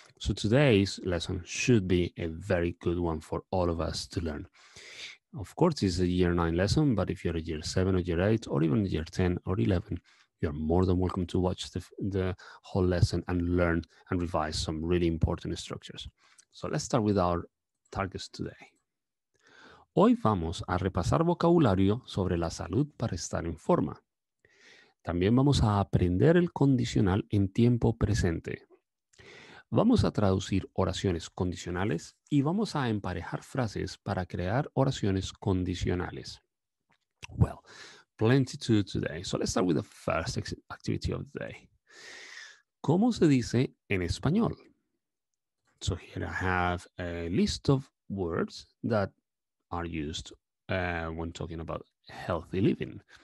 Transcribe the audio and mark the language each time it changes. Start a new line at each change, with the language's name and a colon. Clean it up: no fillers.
English: So today's lesson should be a very good one for all of us to learn. Of course, it's a year 9 lesson, but if you're a year 7 or year 8 or even year 10 or 11, you're more than welcome to watch the whole lesson and learn and revise some really important structures. So let's start with our targets today.
Spanish: Hoy vamos a repasar vocabulario sobre la salud para estar en forma. También vamos a aprender el condicional en tiempo presente. Vamos a traducir oraciones condicionales y vamos a emparejar frases para crear oraciones condicionales.
English: Well, plenty to do today. So let's start with the first activity of the day.
Spanish: ¿Cómo se dice en español?
English: So here I have a list of words that are used when talking about healthy living.